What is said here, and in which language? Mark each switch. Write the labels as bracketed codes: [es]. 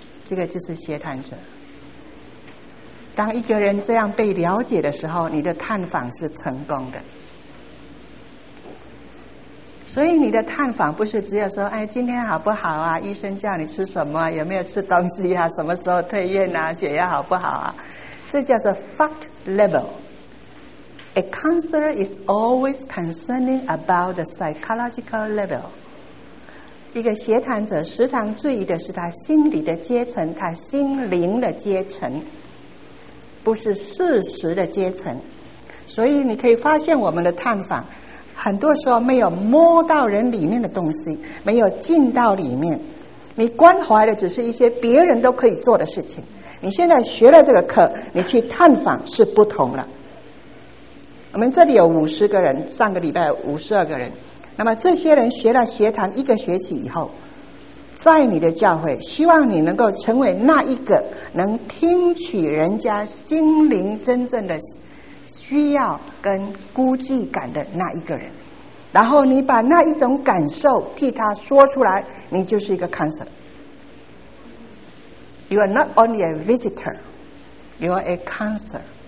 [zh] 这个就是协谈者。当一个人这样被了解的时候，你的探访是成功的。所以你的探访不是只有说哎，今天好不好啊，医生叫你吃什么，有没有吃东西啊，什么时候退院啊，血压好不好啊，这叫做 fact level。 [en] A counselor is always concerning about the psychological level， [zh] 一个协谈者时常注意的是他心理的阶层，他心灵的阶层，不是事实的阶层。所以你可以发现我们的探访很多时候没有摸到人里面的东西，没有进到里面，你关怀的只是一些别人都可以做的事情。你现在学了这个课，你去探访是不同了。我们这里有50个人，上个礼拜52个人，那么这些人学了协谈一个学期以后，在你的教会希望你能够成为那一个能听取人家心灵真正的需要跟孤寂感的那一个人，然后你把那一种感受替他说出来，你就是一个 counselor。 [en] You are not only a visitor, you are a counselor。